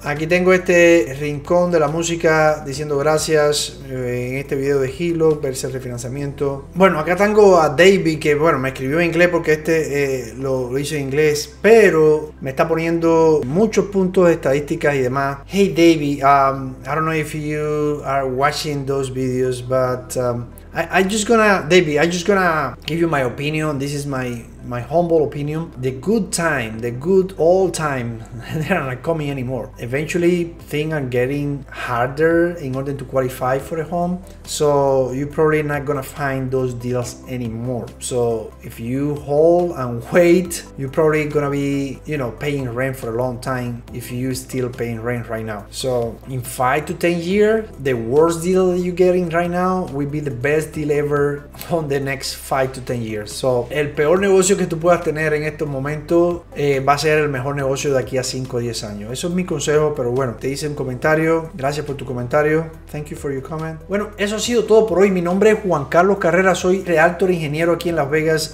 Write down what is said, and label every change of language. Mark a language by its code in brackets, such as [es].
[es] Aquí tengo este rincón de la música diciendo gracias en este video de Hilo versus el refinanciamiento. Bueno, acá tengo a David que, bueno, me escribió en inglés porque este lo hice en inglés, pero me está poniendo muchos puntos de estadísticas y demás. [en] Hey, David, I don't know if you are watching those videos, but I'm just gonna give you my opinion. This is my humble opinion. The good time, the good old time, they're not coming anymore. Eventually, things are getting harder in order to qualify for a home. So you're probably not gonna find those deals anymore. So if you hold and wait, you're probably gonna be, you know, paying rent for a long time if you're still paying rent right now. So in 5 to 10 years, the worst deal that you're getting right now will be the best deal ever on the next 5 to 10 years. [es] So el peor negocio que tú puedas tener en estos momentos va a ser el mejor negocio de aquí a 5 o 10 años. Eso es mi consejo, pero bueno, te hice un comentario. Gracias por tu comentario. [en] Thank you for your comment. [es] Bueno, eso ha sido todo por hoy. Mi nombre es Juan Carlos Carrera. Soy realtor ingeniero aquí en Las Vegas.